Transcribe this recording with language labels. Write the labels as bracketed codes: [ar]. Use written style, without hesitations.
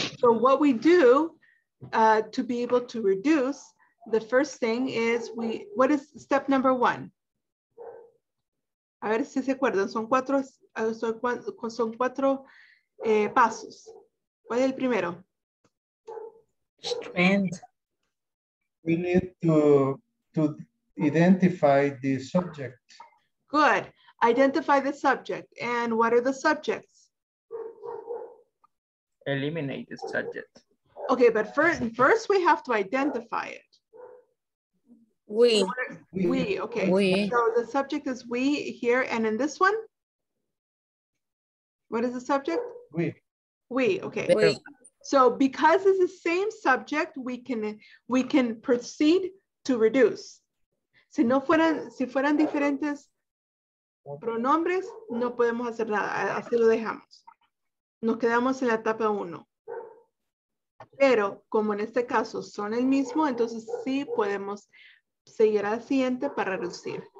[en] So what we do to be able to reduce. The first thing is what is step number one? [es] A ver si se acuerdan, son cuatro pasos. ¿Cuál es el primero? [en] Strength. We need to identify the subject. Good. Identify the subject. And what are the subjects? Eliminate the subject. Okay, but first we have to identify it. We. So the subject is we here, and in this one, what is the subject? We. Okay. We. So because it's the same subject, we can proceed to reduce. [es] Si fueran diferentes pronombres, no podemos hacer nada. Así lo dejamos. Nos quedamos en la etapa uno. Pero como en este caso son el mismo, entonces sí podemos seguirá al siguiente para reducir.